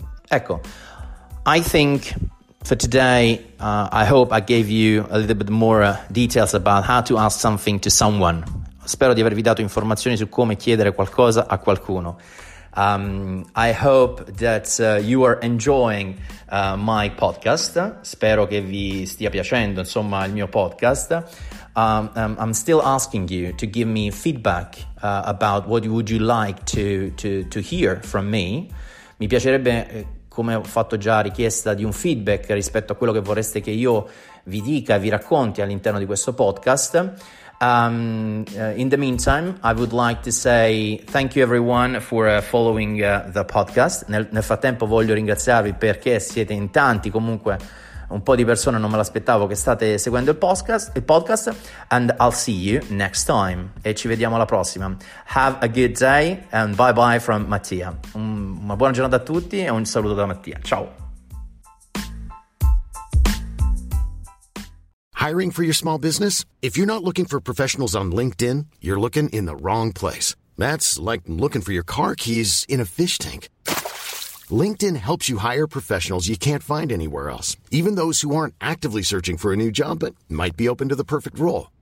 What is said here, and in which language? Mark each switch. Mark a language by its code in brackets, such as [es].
[en] Ecco, I think for today, I hope I gave you a little bit more details about how to ask something to someone. [it] Spero di avervi dato informazioni su come chiedere qualcosa a qualcuno. [en] I hope that you are enjoying my podcast. [it] Spero che vi stia piacendo, insomma, il mio podcast. [en] I'm still asking you to give me feedback about what would you like to hear from me. [it] Mi piacerebbe, come ho fatto già richiesta, di un feedback rispetto a quello che vorreste che io vi dica e vi racconti all'interno di questo podcast. [en] In the meantime, I would like to say thank you everyone for following the podcast. [it] Nel frattempo voglio ringraziarvi perché siete in tanti, comunque un po' di persone, non me l'aspettavo, che state seguendo il podcast, [en] and I'll see you next time. [it] E ci vediamo alla prossima. [en] Have a good day and bye bye from Mattia. [it] Una buona giornata a tutti e un saluto da Mattia. Ciao. [en] Hiring for your small business? If you're not looking for professionals on LinkedIn, you're looking in the wrong place. That's like looking for your car keys in a fish tank. LinkedIn helps you hire professionals you can't find anywhere else, even those who aren't actively searching for a new job but might be open to the perfect role.